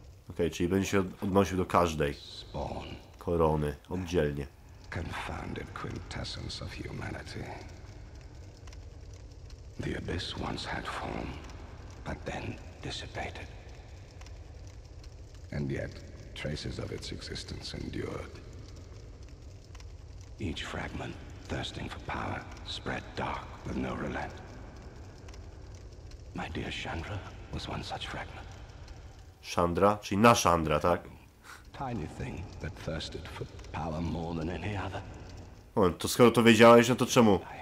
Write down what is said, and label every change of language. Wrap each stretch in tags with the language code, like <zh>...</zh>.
<pl>Okej, czyli będzie się odnosił do każdej korony oddzielnie.</pl> <en>Confounded quintessence of humanity. The abyss once had form, but then dissipated. And yet traces of its existence endured. Each fragment, thirsting for power, spread dark with no relent. My dear Chandra was one such fragment.</en> <pl>Chandra, czyli nasza Chandra, tak?</pl> <en>Tiny thing that thirsted for power more than any other.</en> <pl>O, to skoro to wiedziałeś, no to czemu?</pl>